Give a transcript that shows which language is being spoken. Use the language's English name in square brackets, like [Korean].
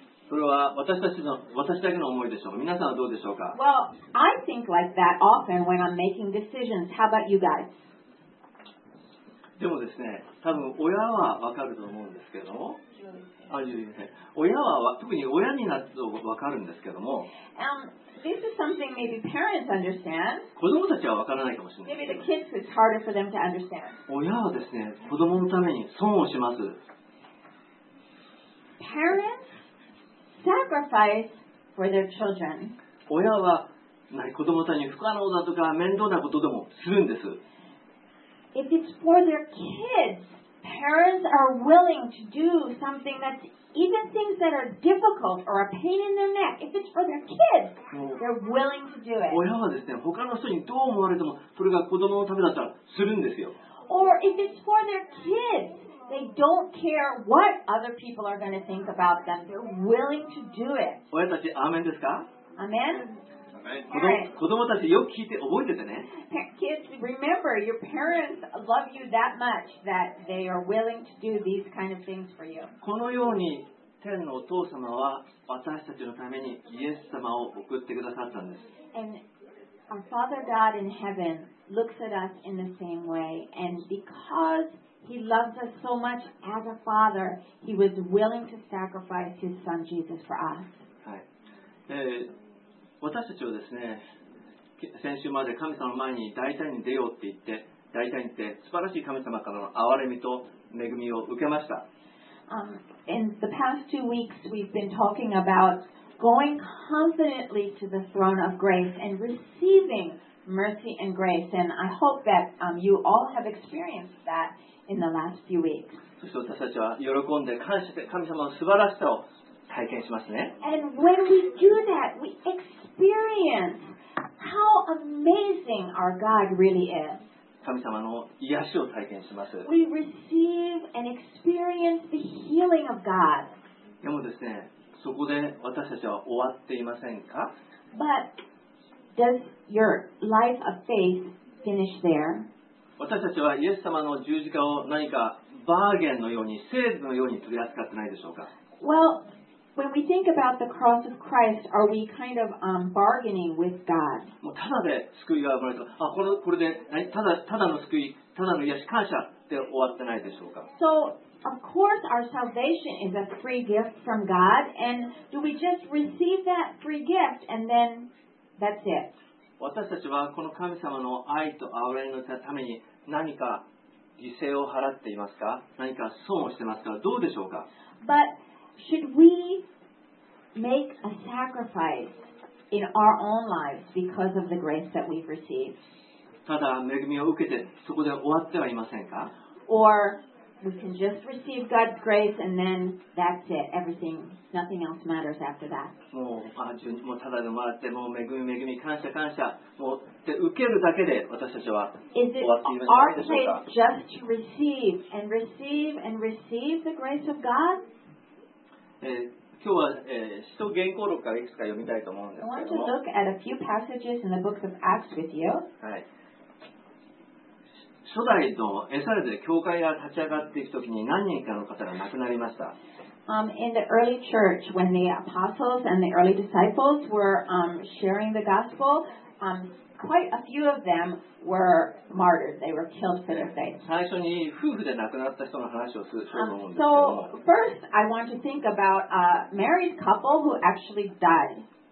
[Japanese] それは私だけの思いでしょう。皆さんはどうでしょうか? [English] Well, I think like that often when I'm making decisions. How about you guys? [Japanese] でもですね、多分親は分かると思うんですけども。あ、いいですね。親は、特に親になると分かるんですけども。 [English] This is something maybe parents understand. [Japanese] 子供たちは分からないかもしれない。 [English] Maybe the kids, it's harder for them to understand. [Japanese] 親はですね、子供のために損をします。 [English] Parents? Sacrifice for their children. [Japanese] 親は子供たちに不可能だとか面倒なことでもするんです。 [English] If it's for their kids, parents are willing to do something that's even things that are difficult or a pain in their neck. If it's for their kids, they're willing to do it. [Japanese] 親はですね、他の人にどう思われてもそれが子供のためだったらするんですよ。 [English] Or if it's for their kids. They don't care what other people are going to think about them. They're willing to do it. [Japanese] 親たち、アーメンですか? [English] Amen? Amen. [Japanese] 子供たち、よく聞いて覚えててね。 [English] Kids, remember, your parents love you that much that they are willing to do these kind of things for you. [Japanese] このように、天のお父様は私たちのためにイエス様を送ってくださったんです。 [English] And our Father God in heaven looks at us in the same way. And because... He loves us so much as a father. He was willing to sacrifice his son Jesus for us. [Japanese] はい。私たちはですね、先週まで神様の前に大胆に出ようって言って、大胆に言って、素晴らしい神様からの憐れみと恵みを受けました。 [English] In the past two weeks, we've been talking about going confidently to the throne of grace and receiving mercy and grace. And I hope that you all have experienced that. In the last few weeks. [Japanese] そして私たちは喜んで感謝して神様の素晴らしさを体験しますね。 [English] And when we do that, we experience how amazing our God really is. [Japanese] 神様の癒しを体験します。 [English] We receive and experience the healing of God. [Japanese] でもですね、そこで私たちは終わっていませんか? [English] But does your life of faith finish there? [Japanese] 私たちはイエス様の十字架を何かバーゲンのように、セールのように取り扱ってないでしょうか? [English] Well, when we think about the cross of Christ, are we kind of bargaining with God? [Japanese] もうただで救いが生まれた。あ、これで、ただの救い、ただの癒し、感謝って終わってないでしょうか? [English] So, of course, our salvation is a free gift from God, and do we just receive that free gift, and then that's it? [Japanese] 私たちはこの神様の愛と憐れみのために何か犠牲を払っていますか何か損をしていますかどうでしょうか [English] But should we make a sacrifice in our own lives because of the grace that we've received? [Japanese] ただ恵みを受けてそこで終わってはいませんか [English] Or we can just receive God's grace and then that's it. Everything, nothing else matters after that. [Japanese] もう、もうただでもらって、もう恵み、感謝、感謝、もう、で受けるだけで、私たちは終わっているんじゃないでしょうか。 [English] Is it our place just to receive and receive and receive the grace of God? [Japanese] 今日は、使徒言行録からいくつか読みたいと思うんですけども。 [English] I want to look at a few passages in the book of Acts with you. [Japanese] はい。初代のエサレで教会が立ち上がっていくときに何人かの方が亡くなりました。 [English] In the early church, when the apostles and the early disciples were sharing the gospel, quite a few of them were martyred. They were killed for their faith. [Japanese] 最初に夫婦で亡くなった人の話をすると思うんですけど。 [English] So first, I want to think about a married couple who actually died.